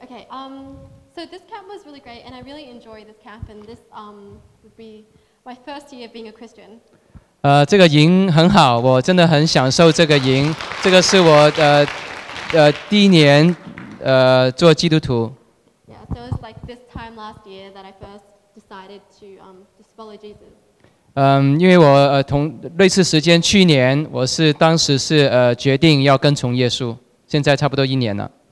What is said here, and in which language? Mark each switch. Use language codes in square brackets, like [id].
[en] Okay, so this camp was really great, and I really enjoy this camp, and this would be my first year being a Christian. [zh] 这个营很好，我真的很享受这个营。这个是我第一年做基督徒。 [en] Yeah, so it was like this time last year that I first decided to just follow Jesus. [zh] 因为我同类似时间去年，我是当时是决定要跟从耶稣，现在差不多一年了。